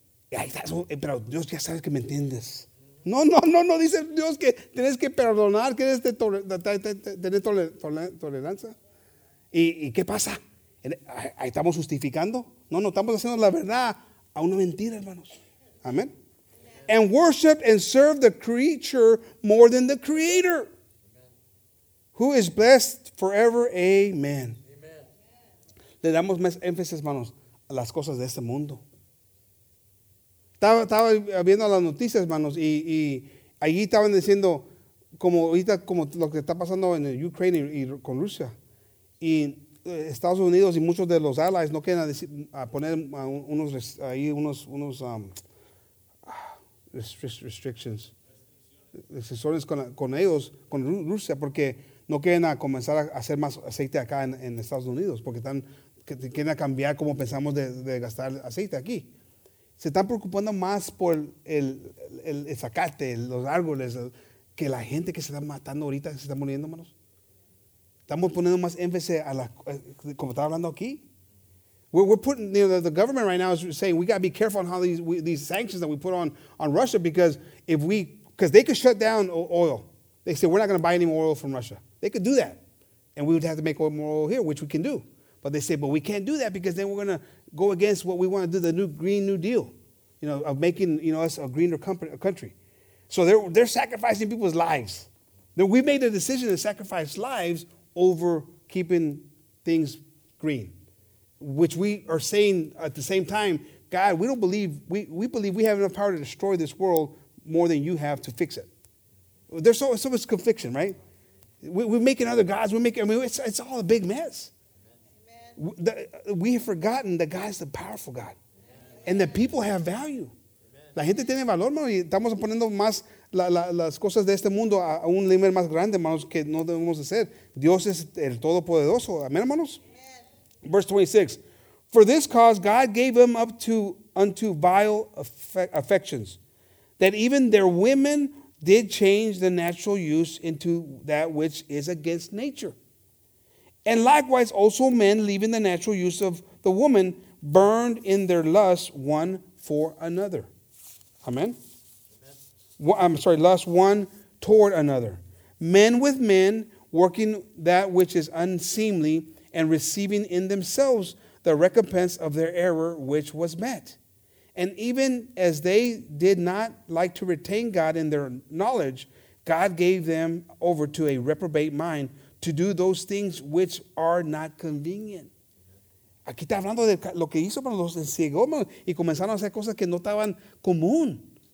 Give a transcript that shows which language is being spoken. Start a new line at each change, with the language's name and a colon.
Spanish: Pero Dios ya sabe que me entiendes. No, no, no, no dice Dios que tienes que perdonar, que tienes tolerancia. ¿Y qué pasa? ¿Ahí estamos justificando? No, no, estamos haciendo la verdad a una mentira, hermanos. Amén.
English: And worship and serve the creature more than the creator, who is blessed forever. Amen.
Spanish: Le damos más énfasis, hermanos, a las cosas de este mundo. Estaba viendo las noticias, hermanos, y allí estaban diciendo como ahorita como lo que está pasando en Ucrania y con Rusia. Y Estados Unidos y muchos de los allies no quieren poner unos restrictions, restricciones con ellos, con Rusia, porque no quieren a comenzar a hacer más aceite acá en Estados Unidos porque están que quieren a cambiar como pensamos de gastar aceite aquí. Se están preocupando más por el zacate, los árboles, que la gente que se está matando ahorita, se está muriendo, hermanos. Estamos poniendo más énfasis a la, como estaba hablando aquí.
English: We're putting, you know, the government right now is saying we got to be careful on how these sanctions that we put on Russia because if we, because they could shut down oil. They say we're not going to buy any more oil from Russia. They could do that. And we would have to make more oil here, which we can do. But they say, but we can't do that because then we're going to go against what we want to do, the new Green New Deal, you know, of making, you know, us a greener country. So they're sacrificing people's lives. Now we made the decision to sacrifice lives over keeping things green, which we are saying at the same time, God, we don't believe, we believe we have enough power to destroy this world more than you have to fix it. There's so much conviction, right? We're making other gods. It's all a big mess. We have forgotten that God is the powerful God. Amen. And that people have value. Amen.
Spanish: La gente tiene valor, hermano. Y estamos poniendo más las cosas de este mundo a un nivel más grande, hermanos, que no debemos hacer. Dios es el Todopoderoso. Amén, hermanos. Amen.
English: Verse 26. For this cause God gave them up unto vile affections, that even their women did change the natural use into that which is against nature. And likewise also men, leaving the natural use of the woman, burned in their lust one for another. Amen? Amen. Well, I'm sorry, lust one toward another. Men with men, working that which is unseemly, and receiving in themselves the recompense of their error which was met. And even as they did not like to retain God in their knowledge, God gave them over to a reprobate mind, to do those things which are not convenient.
Spanish: Aquí está hablando de lo que hizo para los ciegos y comenzaron a hacer cosas que no estaban común.